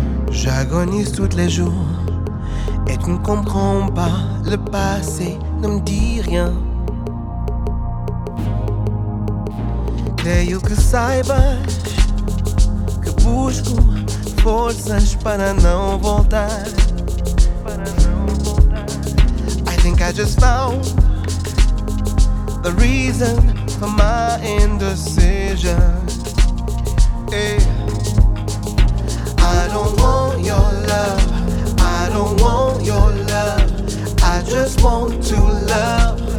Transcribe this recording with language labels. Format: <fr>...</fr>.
<fr>J'agonise tous les jours et tu ne comprends pas le passé, ne me dis rien.</fr> <pt>Creio que saibas que busco forças para não voltar.</pt> <en>I think I just found the reason for my indecision. Hey. I don't want your love, I don't want your love, I just want to love.</en>